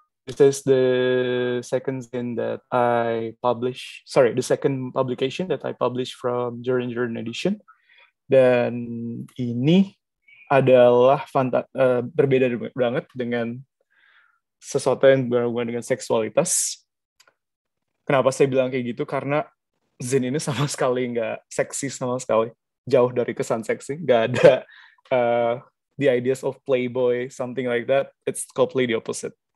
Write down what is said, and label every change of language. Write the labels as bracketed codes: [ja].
[en] This is the second thing that I publish. Sorry, the second publication that I publish from Journey Journey Edition. [id] Dan ini adalah berbeda banget dengan sesuatu yang berhubungan dengan seksualitas. Kenapa saya bilang kayak gitu? Karena zine ini sama sekali nggak seksi sama sekali. Jauh dari kesan seksi. Nggak ada [en] the ideas of playboy, something like that, it's completely the opposite.